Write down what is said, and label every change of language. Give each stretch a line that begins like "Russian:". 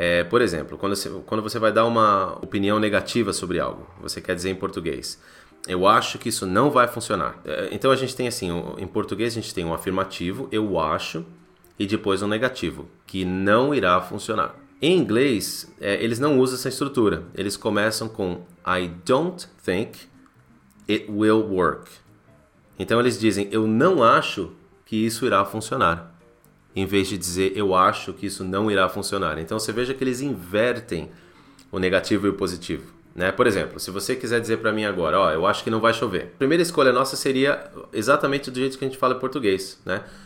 Portuguese: Por exemplo, quando você vai dar uma opinião negativa sobre algo, você quer dizer em português, eu acho que isso não vai funcionar. Então, a gente tem assim, em português a gente tem um afirmativo, eu acho, e depois um negativo, que não irá funcionar. Em inglês, eles não usam essa estrutura. Eles começam com
English: I don't think it will work.
Portuguese: Então eles dizem, eu não acho que isso irá funcionar. Em vez de dizer, eu acho que isso não irá funcionar. Então você veja que eles invertem o negativo e o positivo, né? Por exemplo, se você quiser dizer para mim agora, ó, eu acho que não vai chover. A primeira escolha nossa seria exatamente do jeito que a gente fala em português, né?